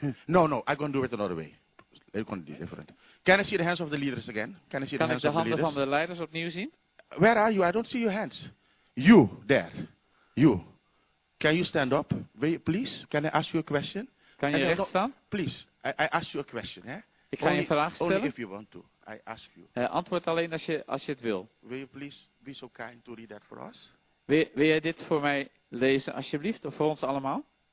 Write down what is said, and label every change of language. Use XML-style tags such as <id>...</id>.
<en>No, I'm going to do it another way. It's going to be different. Can I see the hands of the leaders again? Can I see</en> <nl>kan</nl> <en>the hands of the leaders?</en> <nl>Kan ik de handen van de leiders opnieuw zien?</nl> <en>Where are you? I don't see your hands. You, there. You. Can you stand up? Please, can I ask you a question?</en> <nl>Kan je recht staan?</nl> <en>Please, I ask you a question. Eh?</en> <nl>Ik ga je een vraag stellen.</nl> <en>Only if you want to. I ask you.</en> <nl>Antwoord alleen als je het wil.</nl> <en>Will you please be so kind to read that for us?</en> <nl>Wil jij dit voor mij lezen alsjeblieft, of voor ons allemaal?</nl>